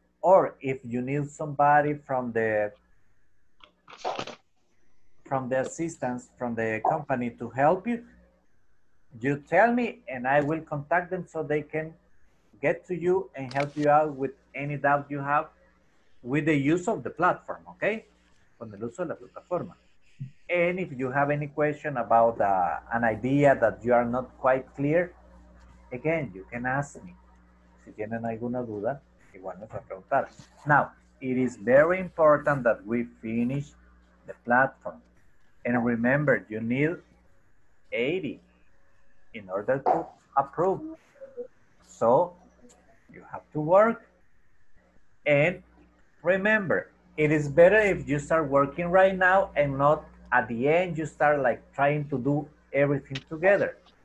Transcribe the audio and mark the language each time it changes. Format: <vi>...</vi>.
<en>Or if you need somebody from the assistance, from the company to help you, you tell me and I will contact them so they can get to you and help you out with any doubt you have with the use of the platform, okay?</en> <es>Con el uso de la plataforma.</es> <en>end, if you have any question about an idea that you are not quite clear, again, you can ask me.</en> <es>Si tienen alguna duda, igual me pueden preguntar.</es> <en>Now, it is very important that we finish the platform. And remember, you need 80 in order to approve. So, you have to work. And remember, it is better if you start working right now and not at the end you start like trying to do everything together.</en>